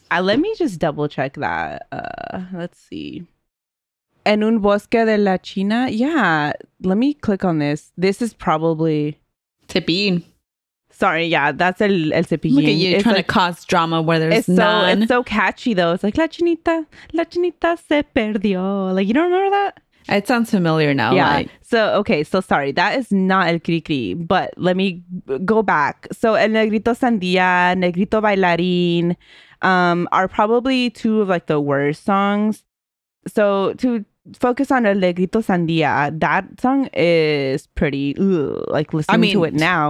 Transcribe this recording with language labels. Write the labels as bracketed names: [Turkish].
[English] Let me just double check that. Let's see. [Spanish] En un bosque de la China. [English] Yeah. Let me click on this. This is probably... Cepillín. Sorry, yeah, that's el cepillín. Look at you, it's trying, like, to cause drama where there's none. It's so catchy, though. It's like, [Spanish] la chinita se perdió. [English] Like, you don't remember that? It sounds familiar now. Yeah. Like. So, okay, so sorry. That is not el cri-cri, but let me go back. So, el negrito sandía, negrito bailarín are probably two of, like, the worst songs. So, to focus on El Negrito Sandia, that song is pretty, like, listening to it now.